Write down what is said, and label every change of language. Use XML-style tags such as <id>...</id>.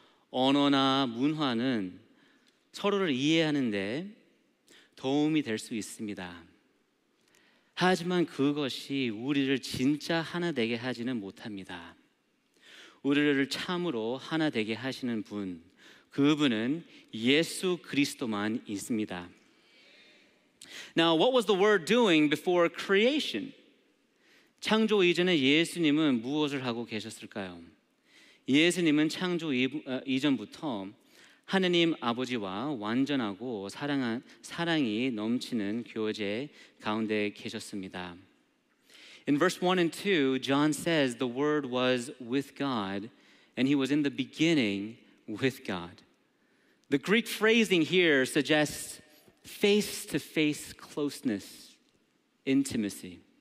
<ko>언어나 문화는 서로를 이해하는 데 도움이 될 수 있습니다. 하지만 그것이 우리를 진짜 하나 되게 하지는 못합니다. 우리를 참으로 하나 되게 하시는 분, 그분은 예수 그리스도만 있습니다.</ko> <en>Now, what was the word doing before creation?</en> <ko>창조 이전에 예수님은 무엇을 하고 계셨을까요? 예수님은 창조 이전부터 하느님 아버지와 완전하고 사랑이 넘치는 교제 가운데 계셨습니다.</ko> <en>In verse 1 and 2, John says the word was with God and he was in the beginning with God. The Greek phrasing here suggests face-to-face closeness, intimacy.</en>